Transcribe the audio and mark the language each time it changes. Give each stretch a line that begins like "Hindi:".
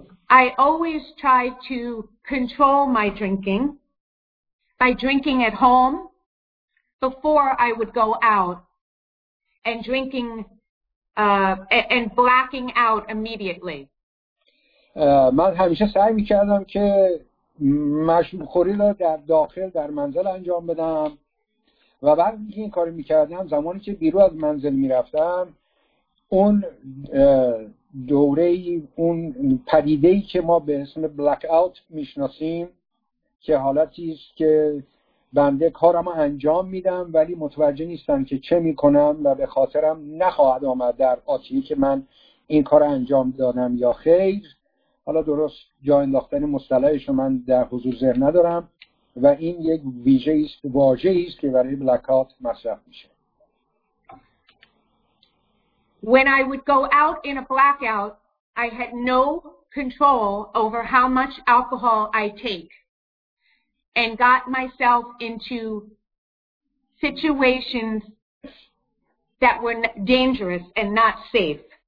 English: I always tried to control my drinking by drinking at home before I would go out and drinking and blacking out immediately.
Persian: من همیشه سعی می کردم که مشروب خوری رو در داخل در منزل انجام بدم و بعد اینکه این کارو میکردم، زمانی که بیرون از منزل میرفتم اون دوره‌ای اون پدیده‌ای که ما به اسم بلک اوت می‌شناسیم که حالتی است که بنده کارم انجام میدم ولی متوجه نیستم که چه میکنم و به خاطرم نخواهد آمد در آتیه که من این کار انجام دادم یا خیر. حالا درست جا انداختن مصطلحش رو من در حضور ذهن ندارم و این یک واژه‌ای است که برای بلک‌اوت مصرف میشه.
English: When I would go out in a blackout, I had no control over how much alcohol I take. And got myself into situations that were dangerous and not safe.